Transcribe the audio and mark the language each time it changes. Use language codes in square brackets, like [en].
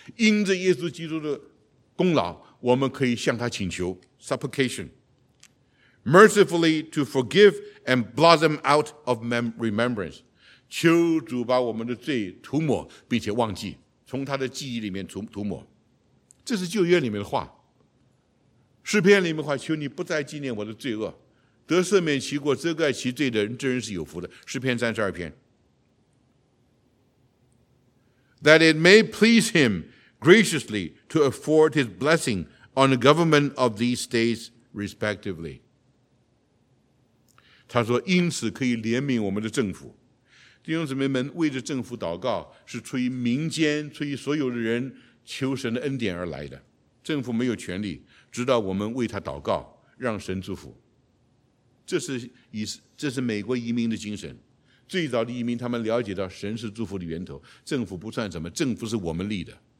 [zh] 因着耶稣基督的功劳，我们可以向他请求 [en] supplication, mercifully to forgive and blot them out of remembrance. [zh] 求主把我们的罪涂抹，并且忘记，从他的记忆里面涂抹。这是旧约里面的话，诗篇里面的话，求你不再纪念我的罪恶，得赦免其过，遮盖其罪的人，这人是有福的。诗篇三十二篇。 [en] That it may please him graciously to afford his blessing on the government of these states respectively. [zh] 他说因此可以怜悯我们的政府。弟兄姊妹们，为着政府祷告是出于民间，出于所有的人求神的恩典而来的。政府没有权利，直到我们为他祷告，让神祝福。这是美国移民的精神。最早的移民，他们了解到神是祝福的源头，政府不算什么，政府是我们立的。